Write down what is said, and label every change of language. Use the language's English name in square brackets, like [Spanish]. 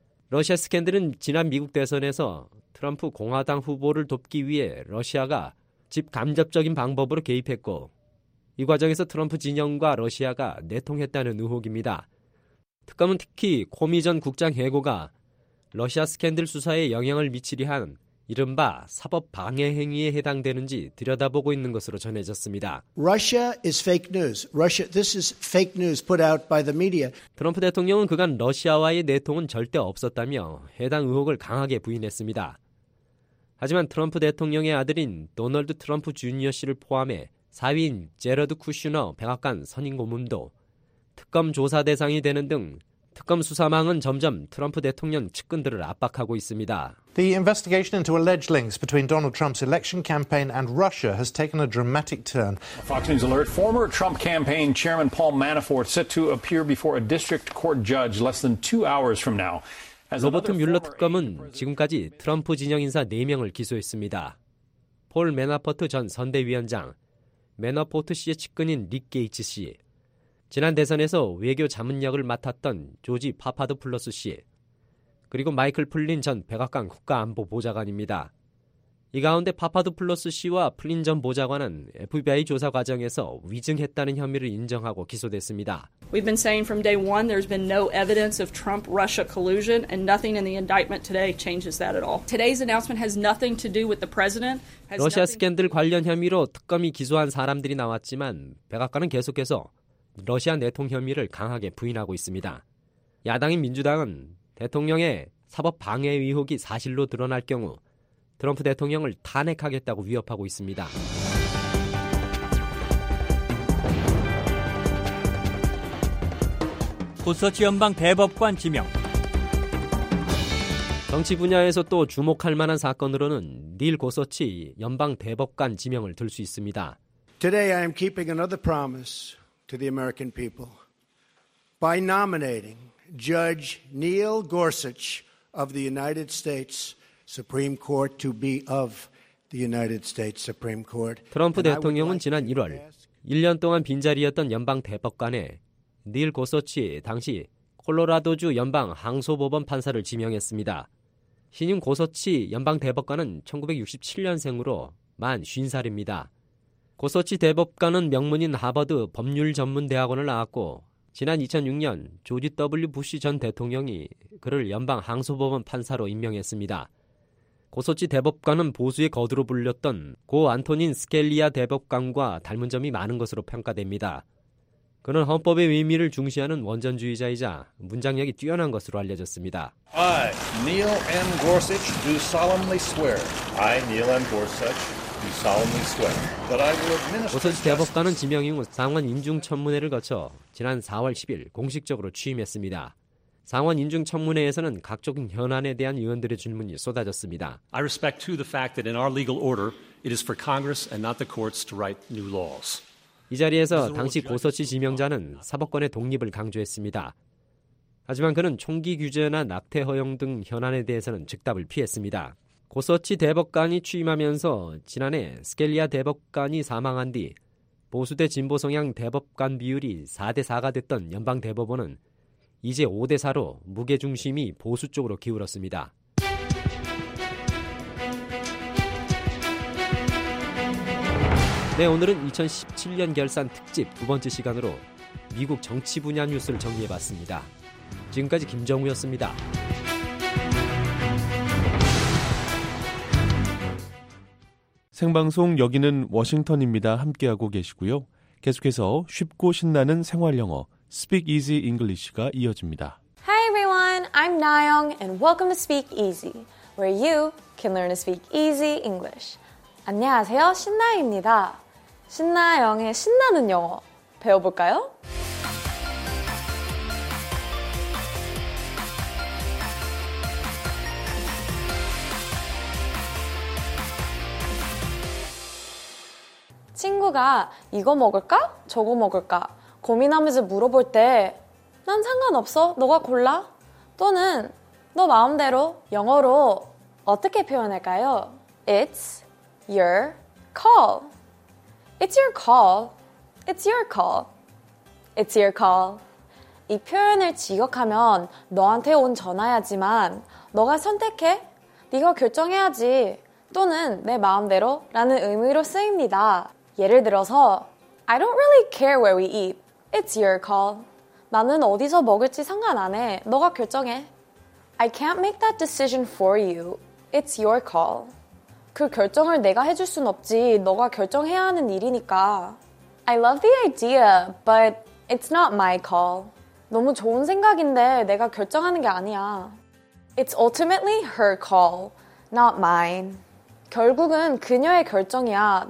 [Korean] 러시아 스캔들은 지난 미국 대선에서 트럼프 공화당 후보를 돕기 위해 러시아가 직간접적인 방법으로 개입했고 이 과정에서 트럼프 진영과 러시아가 내통했다는 의혹입니다. 특검은 특히 코미 전 국장 해고가 러시아 스캔들 수사에 영향을 미치려 한 이른바 사법 방해 행위에 해당되는지 들여다보고 있는 것으로 전해졌습니다. [English] Russia is fake news. Russia, this is fake news put out by the media. [Korean] 트럼프 대통령은 그간 러시아와의 내통은 절대 없었다며 해당 의혹을 강하게 부인했습니다. 하지만 트럼프 대통령의 아들인 도널드 트럼프 주니어 씨를 포함해 사위인 제러드 쿠슈너 백악관 선임 고문도 특검 조사 대상이 되는 등 특검 수사망은 점점 트럼프 대통령 측근들을 압박하고 있습니다. [English] The investigation into alleged links between Donald Trump's election campaign and Russia has taken a dramatic turn. Fox News alert. Former Trump campaign chairman Paul Manafort set to appear before a district court judge less than 2 hours from now. [Korean] 로버트 뮬러 특검은 지금까지 트럼프 진영 인사 4명을 기소했습니다. 폴 매나포트 전 선대위원장, 매너포트 씨의 측근인 릭 게이츠 씨, 지난 대선에서 외교 자문역을 맡았던 조지 파파도플러스 씨, 그리고 마이클 플린 전 백악관 국가안보보좌관입니다. 이 가운데 파파도플러스 씨와 플린 전 보좌관은 FBI 조사 과정에서 위증했다는 혐의를 인정하고 기소됐습니다. [English] We've been saying from day one there's been no evidence of Trump-Russia collusion and nothing in the indictment today changes that at all. Today's announcement has nothing to do with the president. [Korean] 러시아 스캔들 관련 혐의로 특검이 기소한 사람들이 나왔지만 백악관은 계속해서 러시아 내통 혐의를 강하게 부인하고 있습니다. 야당인 민주당은 대통령의 사법 방해 의혹이 사실로 드러날 경우 트럼프 대통령을 탄핵하겠다고 위협하고 있습니다. 구서치 연방 대법관 지명. 정치 분야에서 또 주목할 만한 사건으로는 닐 고서치 연방 대법관 지명을 들 수 있습니다. [English] Today I am keeping another promise to the American people by nominating Judge Neil Gorsuch of the United States Supreme Court to be of the United States Supreme Court. [Korean] 트럼프 대통령은 지난 1월 1년 동안 빈자리였던 연방 대법관에 닐 고서치 당시 콜로라도주 연방 항소법원 판사를 지명했습니다. 신임 고서치 연방 대법관은 1967년생으로 만 50살입니다. 고서치 대법관은 명문인 하버드 법률 전문 대학원을 나왔고 지난 2006년 조지 W. 부시 전 대통령이 그를 연방 항소법원 판사로 임명했습니다. 고서치 대법관은 보수의 거두로 불렸던 고 안토닌 스켈리아 대법관과 닮은 점이 많은 것으로 평가됩니다. 그는 헌법의 의미를 중시하는 원전주의자이자 문장력이 뛰어난 것으로 알려졌습니다. [English] I, Neil M. Gorsuch, do solemnly swear. I, Neil M. Gorsuch, do solemnly swear that I will administer. [Korean] 고서치 대법관은 지명 이후 상원 인중청문회를 거쳐 지난 4월 10일 공식적으로 취임했습니다. 상원 인중청문회에서는 각종 현안에 대한 의원들의 질문이 쏟아졌습니다. [English] I respect too the fact that in our legal order, it is for Congress and not the courts to write new laws. [Korean] 이 자리에서 당시 고서치 지명자는 사법권의 독립을 강조했습니다. 하지만 그는 총기 규제나 낙태 허용 등 현안에 대해서는 즉답을 피했습니다. 고서치 대법관이 취임하면서 지난해 스켈리아 대법관이 사망한 뒤 보수 대 진보 성향 대법관 비율이 4:4가 됐던 연방 대법원은 이제 5:4로 무게중심이 보수 쪽으로 기울었습니다. 네, 오늘은 2017년 결산 특집 두 번째 시간으로 미국 정치 분야 뉴스를 정리해봤습니다. 지금까지 김정우였습니다. 생방송 여기는 워싱턴입니다. 함께하고 계시고요. 계속해서 쉽고 신나는 생활 영어 Speak Easy English가 이어집니다. [English] Hi everyone, I'm Nayoung and welcome to Speak Easy, where you can learn to speak easy English. [Korean] 안녕하세요, 신나입니다. 신나영의 신나는 영어 배워볼까요? 친구가 이거 먹을까? 저거 먹을까? 고민하면서 물어볼 때 난 상관없어, 너가 골라. 또는 너 마음대로 영어로 어떻게 표현할까요? [English] It's your call. [Korean] 이 표현을 직역하면 너한테 온 전화야지만 너가 선택해, 네가 결정해야지, 또는 내 마음대로 라는 의미로 쓰입니다. 예를 들어서 [English] I don't really care where we eat. It's your call. [Korean] 나는 어디서 먹을지 상관 안 해. 너가 결정해. [English] I can't make that decision for you. It's your call. [Korean] 그 결정을 내가 해줄 순 없지. 너가 결정해야 하는 일이니까. [English] I love the idea, but it's not my call. [Korean] 너무 좋은 생각인데 내가 결정하는 게 아니야. [English] It's ultimately her call, not mine. [Korean] 결국은 그녀의 결정이야.